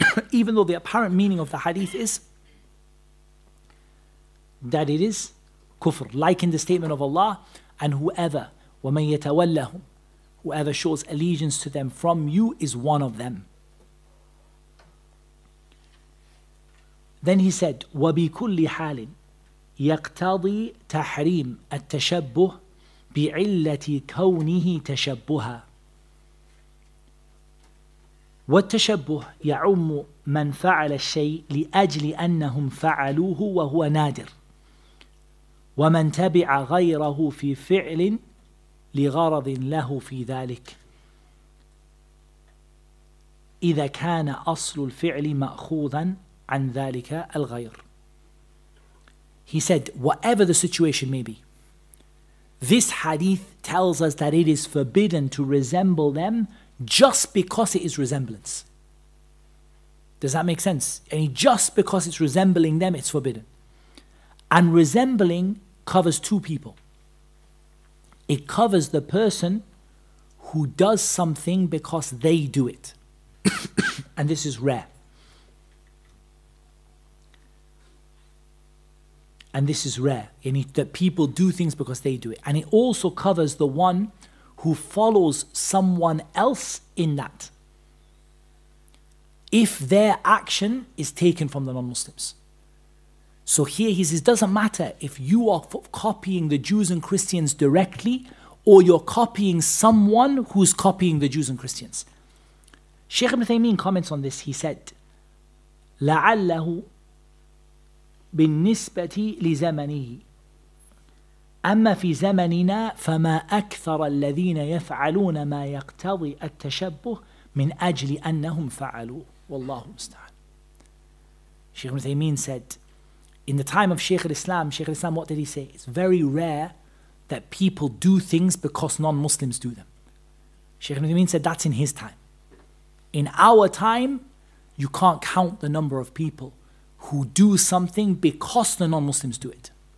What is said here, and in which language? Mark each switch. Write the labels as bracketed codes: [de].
[en] Even though the apparent meaning of the hadith is that it is kufr, like in the statement of Allah, and whoever, [ar] وَمَنْ يَتَوَلَّهُمْ, [en] whoever shows allegiance to them from you is one of them. Then he said, [ar] وَبِكُلِّ حَالٍ يَقْتَضِي تَحْرِيمَ التَّشَبُّهِ بِعِلَّةِ كَوْنِهِ تَشَبُّهَا وَالتَّشَبُّهُ يَعُمُّ مَنْ فَعَلَ الشَّيْءِ لِأَجْلِ أَنَّهُمْ فَعَلُوهُ وَهُوَ نَادِرٌ وَمَنْ تَبِعَ غَيْرَهُ فِي فِعْلٍ لِغَرَضٍ لَهُ فِي ذَلِكَ إِذَا كَانَ أَصْلُ الْفِعْلِ مَأْخُوذًا عَنْ ذَلِكَ الْغَيْرِ. [en] He said, whatever the situation may be, this hadith tells us that it is forbidden to resemble them just because it is resemblance. Does that make sense? And just because it's resembling them, it's forbidden. And resembling covers two people. It covers the person who does something because they do it. And this is rare. And this is rare, meaning that people do things because they do it. And it also covers the one who follows someone else in that, if their action is taken from the non-Muslims. So here he says, it doesn't matter if you are copying the Jews and Christians directly, or you're copying someone who's copying the Jews and Christians. Sheikh Ibn Taymiyyah comments on this. He said, [ar] لَعَلَّهُ بالنسبة لزمنه أما في زمننا فما أكثر الذين يفعلون ما يقتضي التشبه من أجل أنهم فعلوا والله مستعان. [en] Sheikh Muthaymin said, in the time of Sheikh Al-Islam, what did he say? It's very rare that people do things because non-Muslims do them. Sheikh Muthaymin said that's in his time. In our time, you can't count the number of people who do something because the non-Muslims do it.